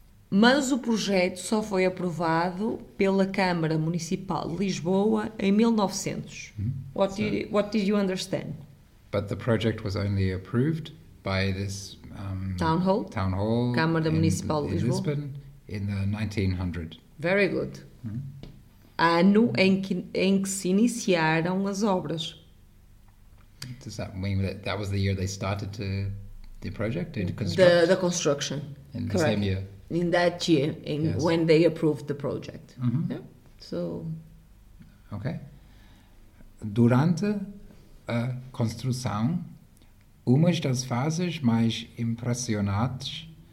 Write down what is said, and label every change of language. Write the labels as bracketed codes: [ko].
[pt] Mas o projeto só foi aprovado pela Câmara Municipal de Lisboa em 1900. Mm-hmm. [en] What did you understand? But the project was only approved by this town hall Câmara Municipal de Lisboa. Lisbon in the 1900. Very good. Mm-hmm. [pt] Ano em que se iniciaram as obras. [en] Does that mean that was the year they started to the project and construct? The construction. In the correct. Same year. In that year, when they approved the project. Mm-hmm. Yeah. So. Okay. [pt] Durante a construção, uma das fases mais impressionantes